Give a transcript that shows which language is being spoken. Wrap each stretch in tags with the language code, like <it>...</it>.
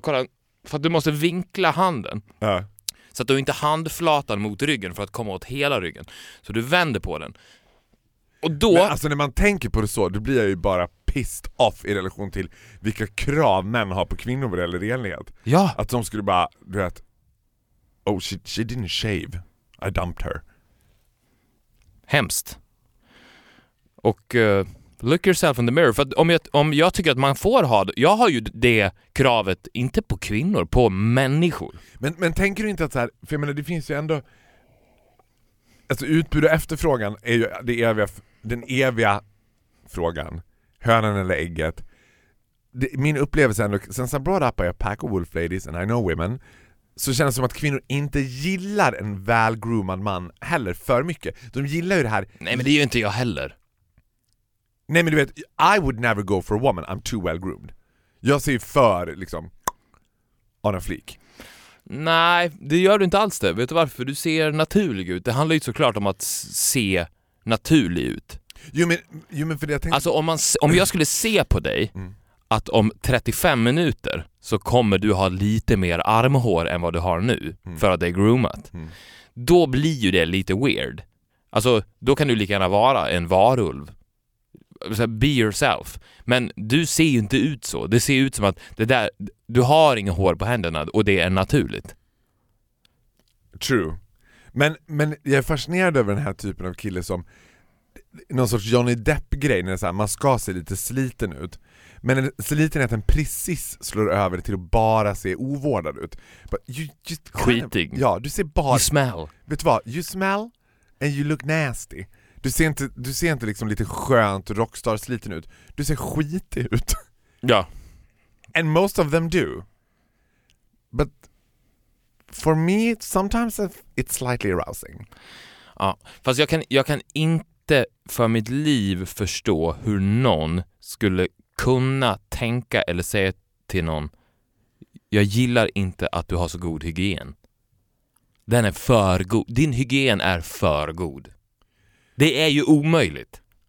<sv>Kolla, för att du måste vinkla handen. Så att du inte handflatan mot ryggen för att komma åt hela ryggen. Så du vänder på den. Och då... Men alltså när man tänker på det så, då blir jag ju bara</sv> <en>pissed off</en> <sv>i relation till vilka krav män har på kvinnor vad det gäller renlighet. Ja. Att de skulle bara, du vet,</sv> <en>oh she didn't shave. I dumped her.</en> <sv>Hemskt. Och</sv> <en>look yourself in the mirror.</en> <sv>För att om jag tycker att man får ha... Jag har ju det kravet, inte på kvinnor, på människor. Men tänker du inte att så här... För jag menar, det finns ju ändå... Alltså utbud och efterfrågan är ju den eviga frågan. Hönan eller ägget. Min upplevelse ändå...</sv> <en>Since I brought up a pack of wolf ladies and I know women...</en> <sv>Så känns det som att kvinnor inte gillar en välgroomad man heller för mycket. De gillar ju det här. Nej, men det är ju inte jag heller. Nej, men du vet,</sv> <en>I would never go for a woman. I'm too well groomed.</en> <sv>Jag ser för liksom</sv> <en>on a fleek.</en> <sv>Nej, det gör du inte alls det. Vet du varför? Du ser naturlig ut. Det handlar ju såklart om att se naturlig ut. Jo, men för det jag tänkte... Alltså om jag skulle se på dig att om 35 minuter så kommer du ha lite mer armhår än vad du har nu för att det är groomat. Mm. Då blir ju det lite weird. Alltså, då kan du lika gärna vara en varulv.</sv> <en>Be yourself.</en> <sv>Men du ser ju inte ut så. Det ser ut som att det där, du har inga hår på händerna och det är naturligt.</sv> <en>True.</en> <sv>Men jag är fascinerad över den här typen av kille som någon sorts Johnny Depp-grej när det är så här, man ska se lite sliten ut. Men slitenheten precis slår över till att bara se ovårdad ut. Skitig. Ja, du ser bara...</sv> <en>You smell.</en> <sv>Vet du vad?</sv> <en>You smell and you look nasty.</en> <sv>Du ser inte liksom lite skönt rockstar sliten ut. Du ser skitig ut. Ja.</sv> <en>And most of them do. But for me, sometimes it's slightly arousing.</en> <sv>Ja, fast jag kan inte för mitt liv förstå hur någon skulle kunna tänka eller säga till någon, jag gillar inte att du har så god hygien. Den är för god. Din hygien är för god. Det är ju omöjligt.</sv>